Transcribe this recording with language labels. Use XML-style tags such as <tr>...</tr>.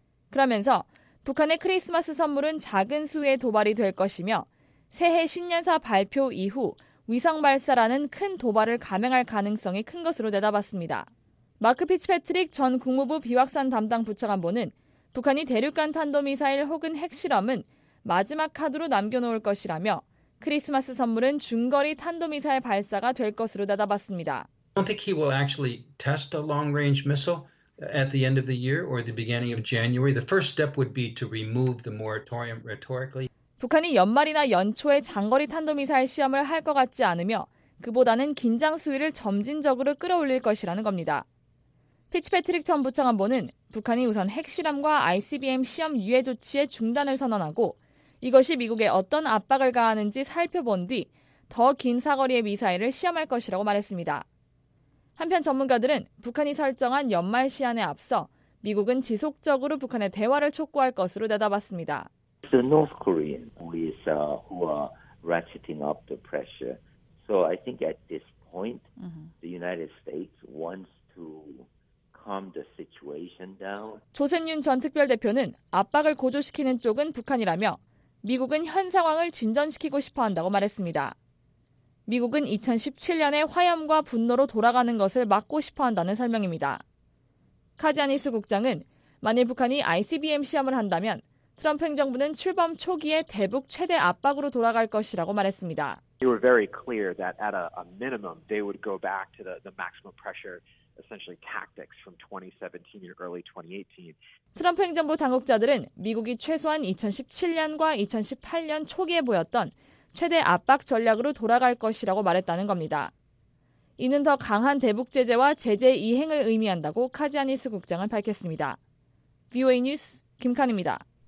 <ko>그러면서 북한의 크리스마스 선물은 작은 수위의 도발이 될 것이며 새해 신년사 발표 이후 위성 발사라는 큰 도발을 감행할 가능성이 큰 것으로 내다봤습니다. 마크 피츠패트릭 전 국무부 비확산 담당 부차관보는 북한이 대륙간 탄도미사일 혹은 핵실험은 마지막 카드로 남겨놓을 것이라며 크리스마스 선물은 중거리 탄도미사일 발사가 될 것으로 내다봤습니다.</ko> <en>I don't think he will actually test a long-range missile at the end of the year or the beginning of January. The first step would be to remove the moratorium rhetorically.</en> <ko>북한이 연말이나 연초에 장거리 탄도미사일 시험을 할 것 같지 않으며 그보다는 긴장 수위를 점진적으로 끌어올릴 것이라는 겁니다. 피츠패트릭 전 부차관보는 북한이 우선 핵실험과 ICBM 시험 유예 조치의 중단을 선언하고 이것이 미국에 어떤 압박을 가하는지 살펴본 뒤 더 긴 사거리의 미사일을 시험할 것이라고 말했습니다. 한편 전문가들은 북한이 설정한 연말 시한에 앞서 미국은 지속적으로 북한의 대화를 촉구할 것으로 내다봤습니다.</ko> <en>The North Korean who are ratcheting up the pressure. So I think at this point, the United States wants to calm the situation down.</en> <ko>조샘윤 전 특별대표는 압박을 고조시키는 쪽은 북한이라며 미국은 현 상황을 진전시키고 싶어한다고 말했습니다. 미국은 2017년의 화염과 분노로 돌아가는 것을 막고 싶어한다는 설명입니다. 카지아니스 국장은 만일 북한이 ICBM 시험을 한다면 트럼프 행정부는 출범 초기에 대북 최대 압박으로 돌아갈 것이라고 말했습니다.</ko> <en>They were very clear that at a minimum they would go back to the maximum pressure essentially tactics from 2017 or early 2018.</en> <ko>트럼프 행정부 당국자들은 미국이 최소한 2017년과 2018년 초기에 보였던 최대 압박 전략으로 돌아갈 것이라고 말했다는 겁니다. 이는 더 강한 대북 제재와 제재 이행을 의미한다고 카지아니스 국장은 밝혔습니다. VOA 뉴스 김칸입니다.</ko>